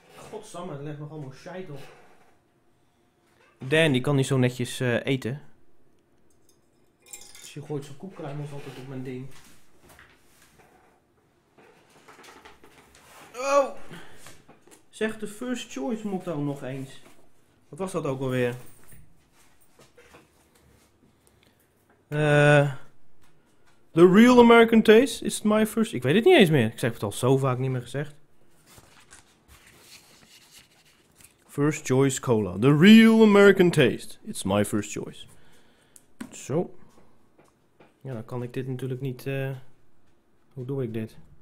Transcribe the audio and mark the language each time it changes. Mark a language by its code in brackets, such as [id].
[nl] Godsamme, het legt nog allemaal shit op. Dan, die kan niet zo netjes eten. Dus je gooit zijn koekkruimels altijd op mijn ding. Oh! Zegt de first choice motto nog eens. Wat was dat ook alweer? [en] The real American taste is my first... [nl] Ik weet het niet eens meer. Ik heb het al zo vaak niet meer gezegd. [en] First choice cola. The real American taste. It's my first choice. [nl] Zo. Ja, dan kan ik dit natuurlijk niet... Hoe doe ik dit?